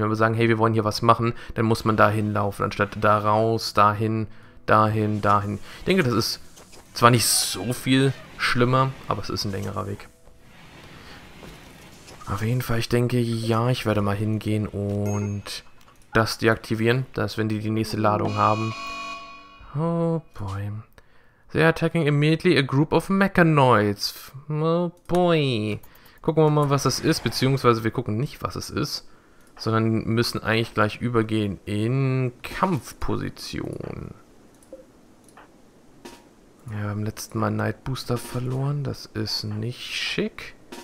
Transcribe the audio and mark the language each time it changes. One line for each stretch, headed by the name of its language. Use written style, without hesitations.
German: Wenn wir sagen, hey, wir wollen hier was machen, dann muss man da hinlaufen, anstatt da raus, dahin, dahin, dahin. Ich denke, das ist zwar nicht so viel schlimmer, aber es ist ein längerer Weg. Auf jeden Fall, ich denke, ja, ich werde mal hingehen und das deaktivieren, dass wenn die die nächste Ladung haben.
English: Oh boy. They are attacking immediately a group of Mechanoids. Oh boy.
German: Gucken wir mal, was das ist, beziehungsweise wir gucken nicht, was es ist, sondern müssen eigentlich gleich übergehen in Kampfposition. Ja, beim letzten Mal Night Booster verloren, das ist nicht schick.